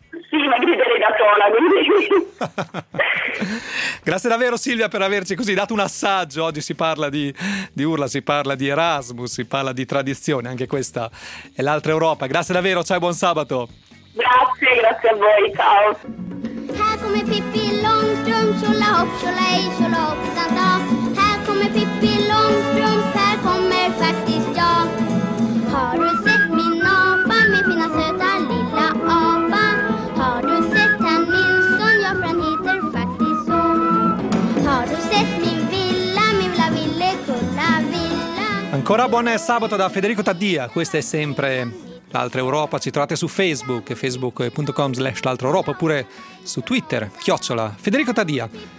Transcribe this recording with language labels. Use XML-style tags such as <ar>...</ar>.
<it>Sì, ma griderei da sola, quindi... Grazie davvero Silvia per averci così dato un assaggio. Oggi si parla di urla, si parla di Erasmus, si parla di tradizione, anche questa è l'Altra Europa. Grazie davvero, ciao e buon sabato. Grazie, grazie a voi, ciao.</it> <sv>Här kommer Pippi Långstrump, tjola hopp, tjola ej, tjola hopp, utan ta. Här kommer Pippi Långstrump, här kommer faktiskt jag. Har du sett min apa, min fina söta lilla apa? Har du sett han Nilsson, ja för han heter faktiskt så. Har du sett min villa, ville kulla villa.</sv> <it>Ancora buon sabato da Federico Taddia, questa è sempre... L'Altra Europa, ci trovate su Facebook, facebook.com/l'altra Europa, oppure su Twitter, @ Federico Taddia.</it>